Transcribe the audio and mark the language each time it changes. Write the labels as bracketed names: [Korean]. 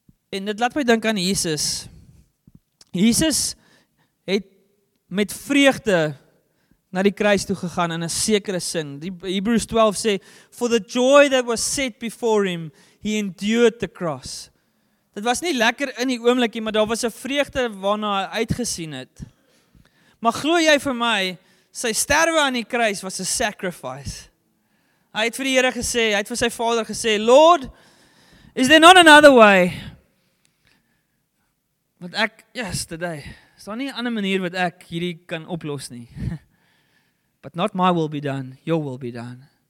[Afrikaans] En dit laat my dink aan Jesus. Jesus het met vreugde na die kruis toe gegaan in 'n sekere sin. Die Hebrews 12 sê, [English] for the joy that was set before him, he endured the cross. [Afrikaans] Dit was nie lekker in die oomblikie, maar daar was 'n vreugde waarna hy uitgesien het. Maar glo jy vir my, sy sterwe aan die kruis was 'n sacrifice. Hy het vir die Here gesê, hy het vir sy Vader gesê, [English] Lord, is there not another way? [Afrikaans] Want ek, yesterday, is daar nie 'n ander manier wat ek hierdie kan oplos nie. [English] But not my will be done, your will be done.